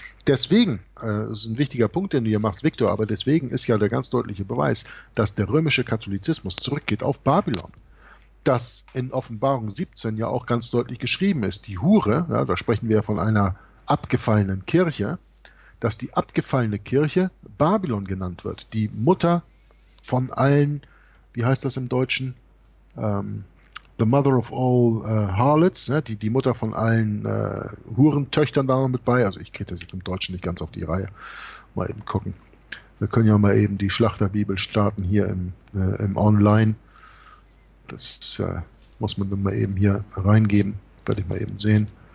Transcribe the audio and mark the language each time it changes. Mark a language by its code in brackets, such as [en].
[de] Deswegen, das ist ein wichtiger Punkt, den du hier machst, Victor, aber deswegen ist ja der ganz deutliche Beweis, dass der römische Katholizismus zurückgeht auf Babylon. Dass in Offenbarung 17 ja auch ganz deutlich geschrieben ist, die Hure, ja, da sprechen wir ja von einer abgefallenen Kirche, dass die abgefallene Kirche Babylon genannt wird. Die Mutter von allen, wie heißt das im Deutschen? [en] The mother of all harlots, ne? [de] die Mutter von allen Hurentöchtern da noch mit bei. Also ich kriege das jetzt im Deutschen nicht ganz auf die Reihe. Mal eben gucken. Wir können ja mal eben die Schlachterbibel starten hier im Online. Das muss man dann mal eben hier reingeben. Werde ich mal eben sehen.